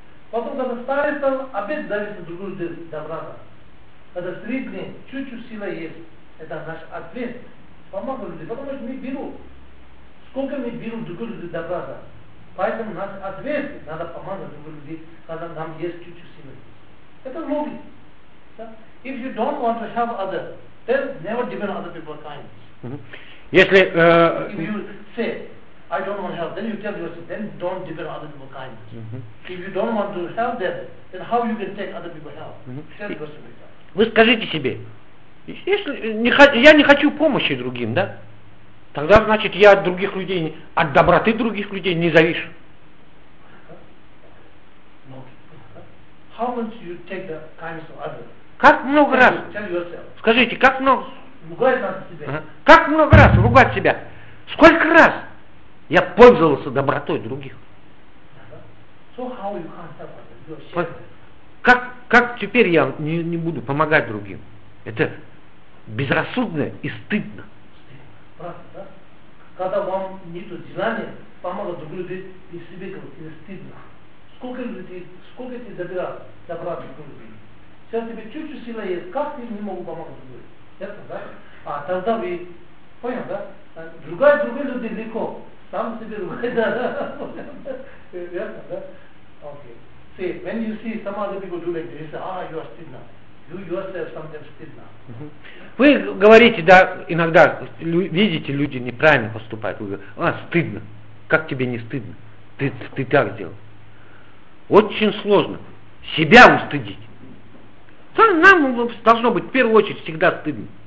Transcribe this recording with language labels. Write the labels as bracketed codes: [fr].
[ru] Потом, когда старится, опять зависит от другого добра. Когда средний, чуть-чуть сила есть, это наш ответ. Помогу людям, потому что мы берем. Сколько мы берем другого люди добра. Поэтому наш ответ, надо помогать другим людям, когда нам есть чуть-чуть силы. Это логика. Да? [en] If you don't want to help others, then never depend on other people's kindness. Mm-hmm. Если, if you say, I don't want help, then you tell yourself, then don't depend on other people's kindness. Mm-hmm. If you don't want to help them, then how you can take other people's help? Mm-hmm. Tell yourself. [ru] Вы скажите себе, если я не хочу помощи другим, да? Тогда, значит, я от других людей, от доброты других людей не завишу. [en] How much you take the kindness of others? [ru] Как много раз? [en] Tell yourself. [ru] Скажите, как много? Ругать надо себя. Ага. Как много раз ругать себя? Сколько раз я пользовался добротой других? [en] So how you can't help yourself? [ru] Как теперь я не буду помогать другим? Это безрассудно и стыдно. Правда, да? Когда вам нету желания помогать другим людям, и себе говорить, это стыдно. Сколько ты забирал добра другим людям? Сейчас тебе чуть-чуть сила есть, как ты не могу помогать другим людям? Это, да? А тогда вы, понял, да? Другая другие люди легко, сам себе ругает, да? Верно, да? Окей. [en] See, when you see some other people do like this, ah, you are stidna. You yourself sometimes stidna. [ru] Вы говорите, да, иногда видите, люди неправильно поступают. Вы говорите, стыдно. Как тебе не стыдно? Ты так делал. Очень сложно себя устыдить. Нам должно быть в первую очередь всегда стыдно.